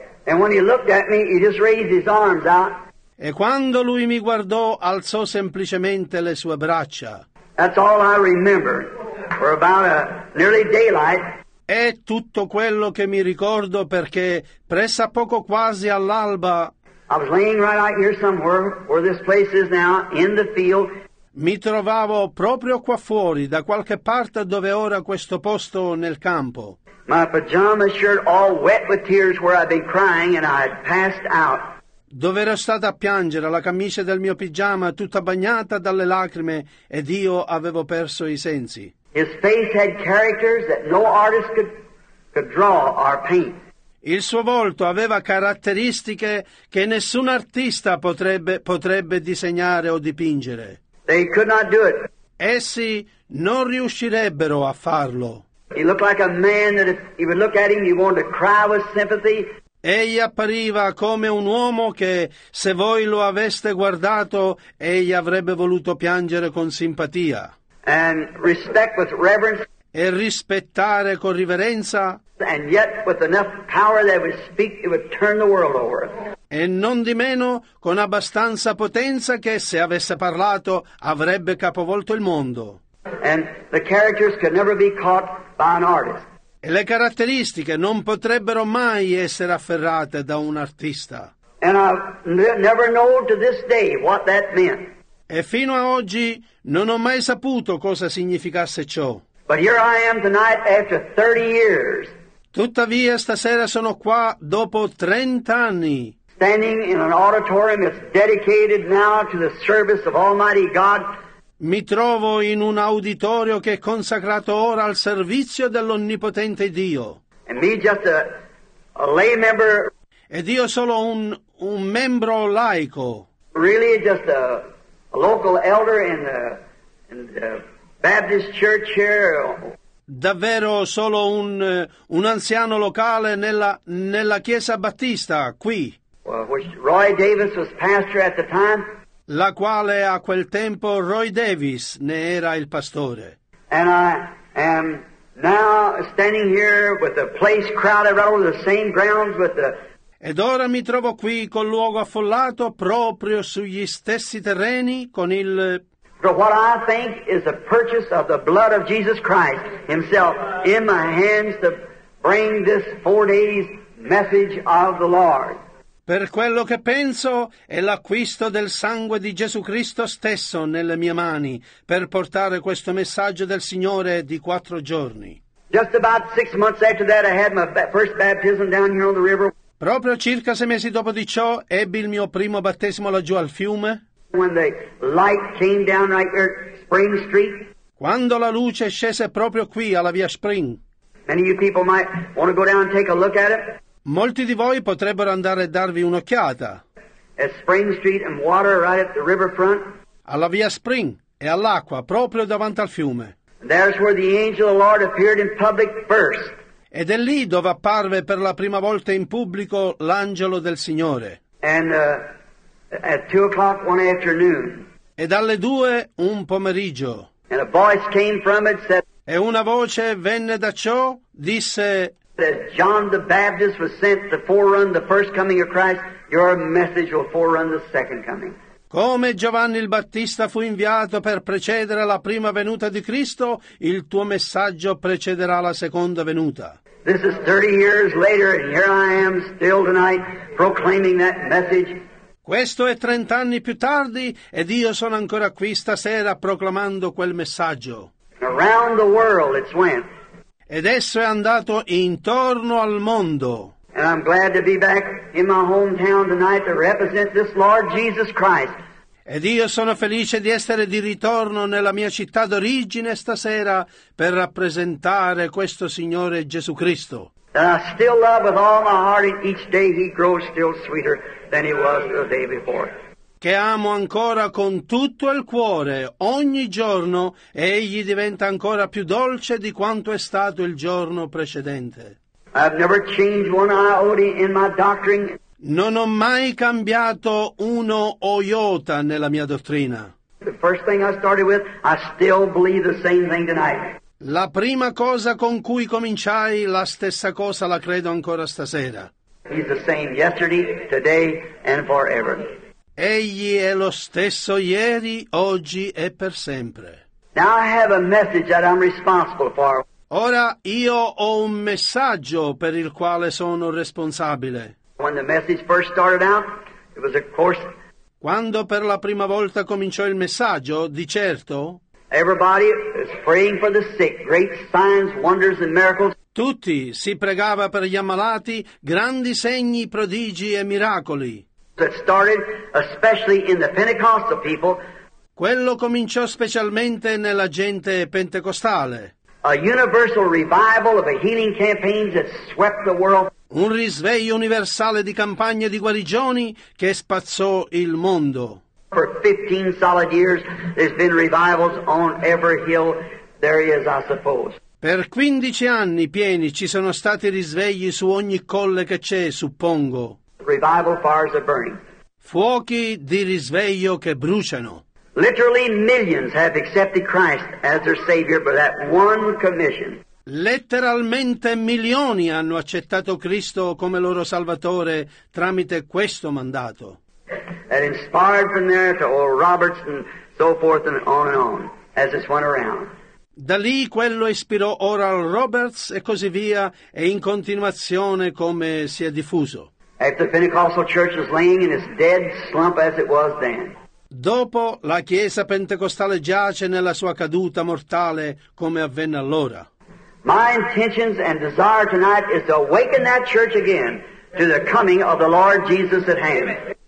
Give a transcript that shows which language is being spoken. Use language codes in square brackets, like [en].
[en] And when he looked at me, he just raised his arms out. [it] E quando lui mi guardò, alzò semplicemente le sue braccia. [en] That's all I remember for about a nearly daylight. [it] È tutto quello che mi ricordo perché pressa poco quasi all'alba. [en] I was laying right out here somewhere where this place is now in the field. [it] Mi trovavo proprio qua fuori da qualche parte dove ora questo posto nel campo. [en] My pajama shirt all wet with tears where I'd been crying and I had passed out. [it] Dove ero stata a piangere, la camicia del mio pigiama tutta bagnata dalle lacrime ed io avevo perso i sensi. [en] His face had characters that no artist could draw or paint. [it] Il suo volto aveva caratteristiche che nessun artista potrebbe disegnare o dipingere. [en] They could not do it. [it] Essi non riuscirebbero a farlo. [en] He looked like a man that if you would look at him, he wanted to cry with sympathy. [it] Egli appariva come un uomo che, se voi lo aveste guardato, egli avrebbe voluto piangere con simpatia. [en] And respect with reverence. [it] E rispettare con riverenza. [en] And yet with enough power that it would speak, it would turn the world over. [it] E non di meno con abbastanza potenza che, se avesse parlato, avrebbe capovolto il mondo. [en] And the characters could never be caught by an artist. [it] E le caratteristiche non potrebbero mai essere afferrate da un artista. [en] And I never know to this day what that meant. [it] E fino a oggi non ho mai saputo cosa significasse ciò. [en] But here I am tonight after 30 years. [it] Tuttavia stasera sono qua dopo 30 anni. [en] Standing in an auditorium that's dedicated now to the service of Almighty God. [it] Mi trovo in un auditorio che è consacrato ora al servizio dell'Onnipotente Dio. [en] And me just a lay member. [it] Ed io solo un membro laico. [en] Really just a local elder in the Baptist church here. [it] Davvero solo un anziano locale nella chiesa battista qui. [en] Which Roy Davis was pastor at the time. [it] La quale a quel tempo Roy Davis ne era il pastore. [en] And I am now standing here with the place crowded right over the same grounds with the. [it] Ed ora mi trovo qui col luogo affollato proprio sugli stessi terreni con il. [en] For what I think is the purchase of the blood of Jesus Christ Himself in my hands to bring this 4 days message of the Lord. [it] Per quello che penso è l'acquisto del sangue di Gesù Cristo stesso nelle mie mani per portare questo messaggio del Signore di 4 giorni. [en] Just about 6 months after that I had my first baptism down here on the river. [it] Proprio circa 6 mesi dopo di ciò, ebbi il mio primo battesimo laggiù al fiume. [en] When the light came down right here, Spring Street. [it] Quando la luce scese proprio qui alla via Spring. [en] Many of you people might want to go down and take a look at it. [it] Molti di voi potrebbero andare a darvi un'occhiata. [en] At Spring Street and water right at the riverfront. [it] Alla via Spring e all'acqua proprio davanti al fiume. [en] There's where the angel of the Lord appeared in public first. [it] Ed è lì dove apparve per la prima volta in pubblico l'angelo del Signore. [en] And at 2 o'clock one afternoon. [it] E dalle 2 un pomeriggio. [en] And a voice came from it said. [it] E una voce venne da ciò, disse. [en] That John the Baptist was sent to forerun the first coming of Christ. Your message will forerun the second coming. [it] Come Giovanni il Battista fu inviato per precedere la prima venuta di Cristo, il tuo messaggio precederà la seconda venuta. [en] This is 30 years later and here I am still tonight proclaiming that message. [it] Questo è 30 anni più tardi ed io sono ancora qui stasera proclamando quel messaggio. [en] Around the world it's went. [it] Ed esso è andato intorno al mondo. [en] And I'm glad to be back in my hometown tonight to represent this Lord Jesus Christ. [it] Ed io sono felice di essere di ritorno nella mia città d'origine stasera per rappresentare questo Signore Gesù Cristo. [en] That I still love with all my heart, and each day he grows still sweeter than he was the day before. [it] Che amo ancora con tutto il cuore, ogni giorno egli diventa ancora più dolce di quanto è stato il giorno precedente. [en] I've never changed one iota in my doctrine. [it] Non ho mai cambiato uno iota nella mia dottrina. [en] The first thing I started with, I still believe the same thing tonight. [it] La prima cosa con cui cominciai, la stessa cosa la credo ancora stasera. [en] He's the same yesterday, today, and forever. [it] Egli è lo stesso ieri, oggi e per sempre. [en] Now I have a message that I'm responsible for. [it] Ora io ho un messaggio per il quale sono responsabile. [en] When the message first started out, it was of course. [it] Quando per la prima volta cominciò il messaggio, di certo. [en] Everybody is praying for the sick, great signs, wonders and miracles. [it] Tutti si pregava per gli ammalati, grandi segni, prodigi e miracoli. [en] That started especially in the Pentecostal people. [it] Quello cominciò specialmente nella gente pentecostale. [en] A universal revival of a healing campaign that swept the world. [it] Un risveglio universale di campagne di guarigioni che spazzò il mondo. [en] For 15 solid years there's been revivals on every hill there is, I suppose. [it] Per 15 anni pieni ci sono stati risvegli su ogni colle che c'è, suppongo. [en] Revival fires are burning. [it] Fuochi di risveglio che bruciano. [en] Literally millions have accepted Christ as their Savior for that one commission. [it] Letteralmente milioni hanno accettato Cristo come loro Salvatore tramite questo mandato. [en] And inspired from there to Oral Roberts and so forth and on as this went around. [it] Da lì quello ispirò Oral Roberts e così via e in continuazione come si è diffuso. [en] After the Pentecostal church was laying in its dead slump as it was then. [it] Dopo, la Chiesa Pentecostale giace nella sua caduta mortale come avvenne allora. [en] My intentions and desire tonight is to awaken that church again to the coming of the Lord Jesus at hand.